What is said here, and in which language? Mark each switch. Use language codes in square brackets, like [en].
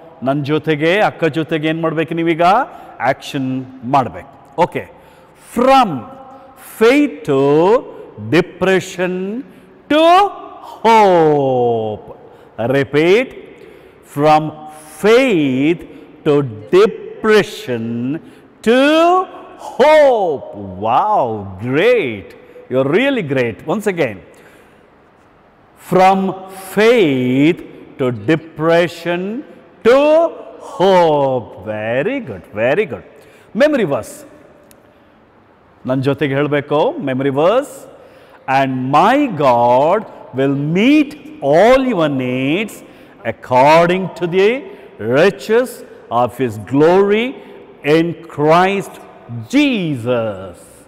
[kn] ನನ್ನ ಜೊತೆಗೆ ಅಕ್ಕ ಜೊತೆಗೆ ಏನು ಮಾಡಬೇಕು, ನೀವೀಗ ಆಕ್ಷನ್ ಮಾಡಬೇಕು. [en] Okay, from faith to depression to hope. Repeat, from faith to depression to hope. Wow, great, you're really great. Once again, from faith to depression to hope. Very good, very good. Memory verse, [kn] ನನ್ನ ಜೊತೆಗೆ ಹೇಳಬೇಕು. [en] Memory verse, and my God will meet all your needs according to the riches of his glory in Christ Jesus.